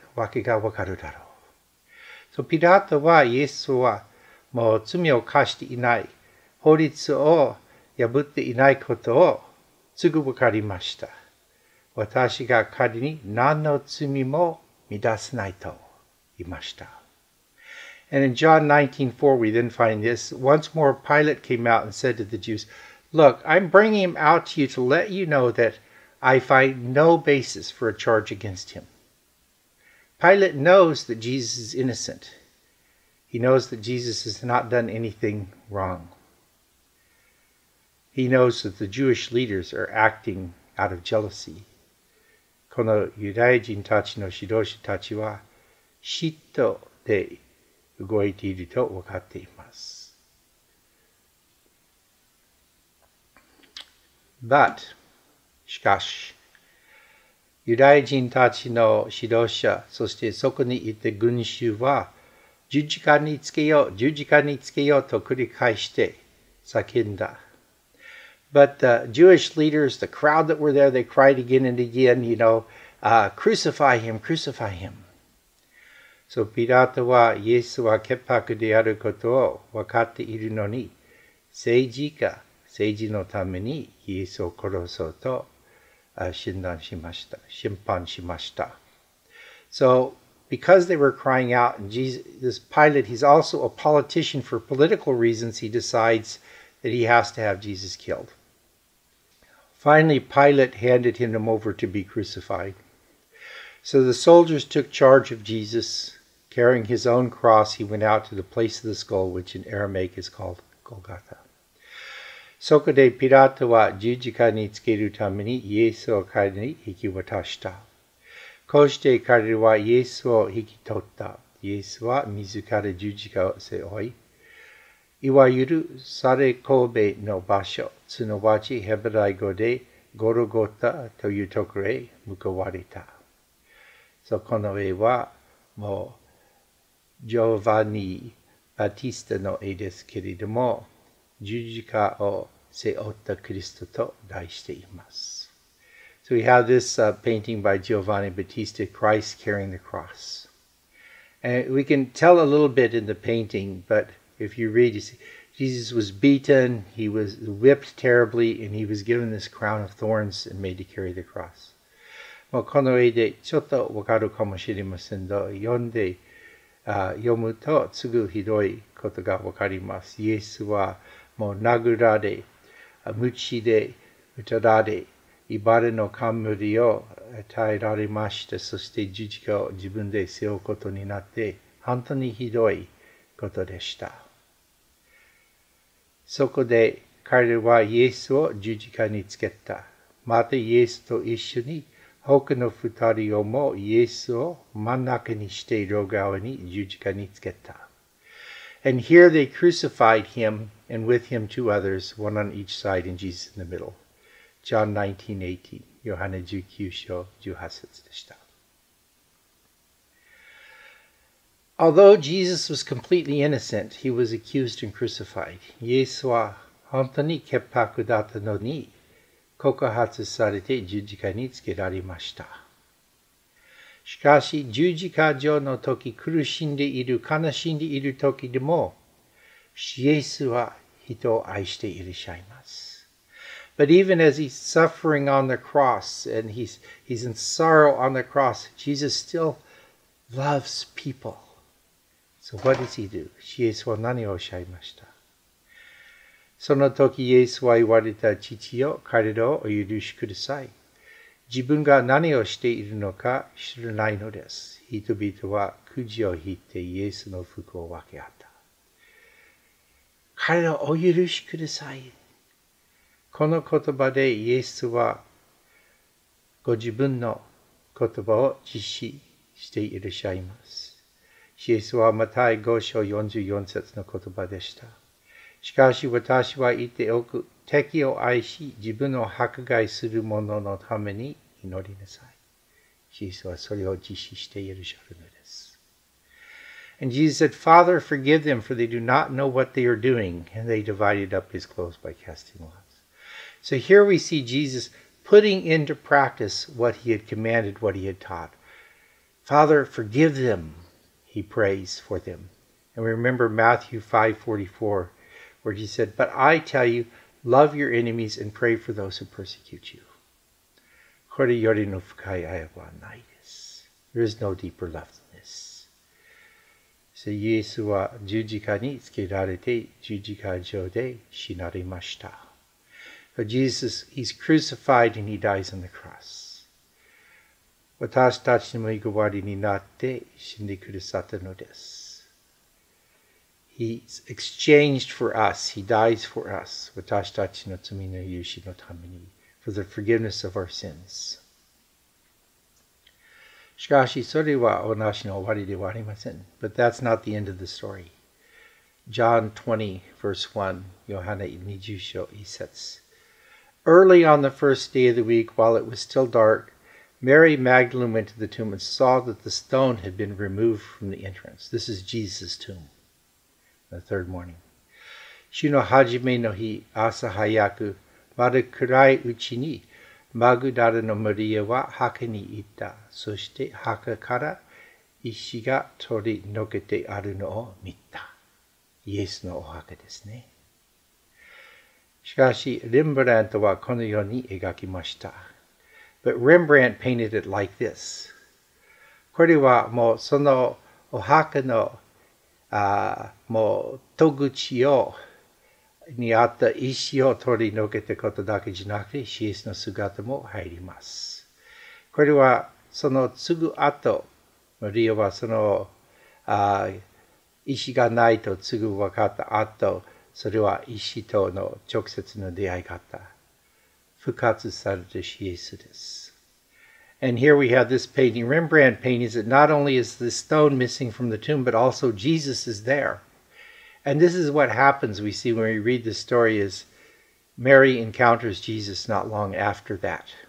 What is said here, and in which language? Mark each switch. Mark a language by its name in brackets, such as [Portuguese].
[Japanese] わけがわかるだろう。So, ピラトはイエスはもう罪を犯していない、法律を破っていないことをすぐわかりました。私が仮に何の罪も見出せないと言いました。 [English] And in John 19:4, we then find this. Once more, Pilate came out and said to the Jews, Look, I'm bringing him out to you to let you know that I find no basis for a charge against him. Pilate knows that Jesus is innocent. He knows that Jesus has not done anything wrong. He knows that the Jewish leaders are acting out of jealousy. [Japanese] このユダヤ人たちの指導者たちは嫉妬で動いていると分かっています。 But, しかし、ユダヤ人たちの指導者、そしてそこにいた群衆は、十字架につけよう、十字架につけようと繰り返して叫んだ。 [English] But the Jewish leaders, the crowd that were there, they cried again and again, you know,、crucify him, crucify him. [Japanese] So ピラトはイエスは潔白であることを分かっているのに、政治のためにイエスを殺そうと、審判しました。 [English] So, because they were crying out, and this Pilate, he's also a politician for political reasons, he decides that he has to have Jesus killed. Finally, Pilate handed him over to be crucified. So the soldiers took charge of Jesus. Carrying his own cross, he went out to the place of the skull, which in Aramaic is called Golgotha. [Japanese] そこでピラトは十字架につけるためにイエスを彼に引き渡した。こうして彼はイエスを引き取った。イエスは自ら十字架を背負い、いわゆるサレコーベの場所、すなわちヘブライ語でゴルゴタというところへ向かわれた。そこの絵はもうジョヴァニ・バティスタの絵ですけれども、十字架を背負ったクリストと題しています。 So we have this painting by Giovanni Battista, Christ carrying the cross. And we can tell a little bit in the painting, but if you read, you see, Jesus was beaten, he was whipped terribly, and he was given this crown of thorns and made to carry the cross. まあ、この絵でちょっとわかるかもしれませんが、読むとすぐひどいことがわかります。イエスはもう殴られ、鞭で打たれ、茨の冠を与えられました。そして十字架を自分で背負うことになって、本当にひどいことでした。そこで彼はイエスを十字架につけた。またイエスと一緒に他の二人をもイエスを真ん中にして両側に十字架につけた。 [English] And here they crucified him and with him two others, one on each side and Jesus in the middle. John 19:18, [Japanese] ヨハネ19章18節でした。 [English] Although Jesus was completely innocent, he was accused and crucified. [Japanese] イエスは本当に潔白だったのに、告発されて十字架につけられました。しかし、十字架上の時、苦しんでいる、悲しんでいる時でも、イエスは人を愛していらっしゃいます。 [English] But even as he's suffering on the cross, and he's in sorrow on the cross, Jesus still loves people. So what does he do? [Japanese] イエスは何をおっしゃいました。その時イエスは言われた父よ、彼らをお許しください。自分が何をしているのか知らないのです。人々はくじを引いてイエスの服を分け合った。彼らをお許しください。この言葉でイエスはご自分の言葉を実施していらっしゃいます。イエスはマタイ5章44節の言葉でした。しかし私は言っておく、敵を愛し自分を迫害する者のために祈りなさい。イエスはそれを実施しているシャルムです。 [English] And Jesus said, Father, forgive them, for they do not know what they are doing. And they divided up his clothes by casting lots. So here we see Jesus putting into practice what he had commanded, what he had taught. Father, forgive them. He prays for them. And we remember Matthew 5:44, where he said, But I tell you, love your enemies and pray for those who persecute you. [Japanese] これよりの深い愛はないです。 [English] There is no deeper love than this. [Japanese] So, イエスは十字架につけられて、十字架上で死なれました。 [English] So, Jesus, he's crucified and he dies on the cross. [Japanese] 私たちの身代わりになって死んでくださったのです。 [English] He's exchanged for us. He dies for us. [Japanese] 私たちの罪の許しのために。 [English] For the forgiveness of our sins. [Japanese] しかし、それは同じの終わりではありません。 [English] But that's not the end of the story. John 20, verse 1, [Japanese] ヨハネ20章1節。 [English] Early on the first day of the week, while it was still dark,Mary Magdalene went to the tomb and saw that the stone had been removed from the entrance. This is Jesus' tomb. The third morning. [Japanese] 主の初めの日、朝早く、まだ暗いうちに、マグダラのマリアは墓に行った。そして墓から石が取り除けてあるのを見た。イエスのお墓ですね。しかし、レンブラントはこのように描きました。 [English] But Rembrandt painted it like this. [Japanese] これはもうそのお墓のもう戸口をにあった石を取り除けたことだけじゃなくて、イエスの姿も入ります。これはそのすぐ後、マリアはその石がないとすぐ分かった後、それは石との直接の出会いがあった。復活されたイエスです。 [English] And here we have this painting. Rembrandt paintings it not only is the stone missing from the tomb, but also Jesus is there. And this is what happens, we see when we read the story, is Mary encounters Jesus not long after that.